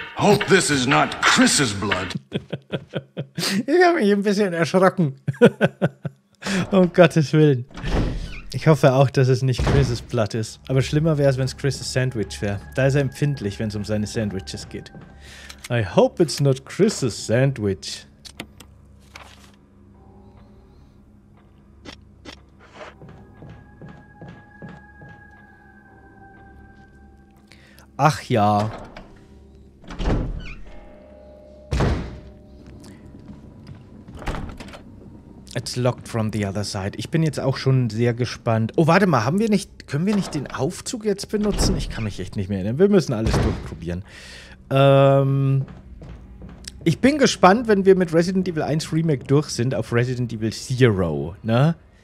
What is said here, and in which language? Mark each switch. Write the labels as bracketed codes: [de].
[en] Hope this is not Chris's blood. [de] Ich habe mich ein bisschen erschrocken. Um Gottes Willen. Ich hoffe auch, dass es nicht Chris's Blood ist. Aber schlimmer wäre es, wenn es Chris's Sandwich wäre. Da ist er empfindlich, wenn es um seine Sandwiches geht. [en] I hope it's not Chris's Sandwich. [de] Ach ja. [en] It's locked from the other side. [de] Ich bin jetzt auch schon sehr gespannt. Oh, warte mal, haben wir nicht... Können wir nicht den Aufzug jetzt benutzen? Ich kann mich echt nicht mehr erinnern. Wir müssen alles durchprobieren. Ich bin gespannt, wenn wir mit Resident Evil 1 Remake durch sind, auf Resident Evil Zero, ne?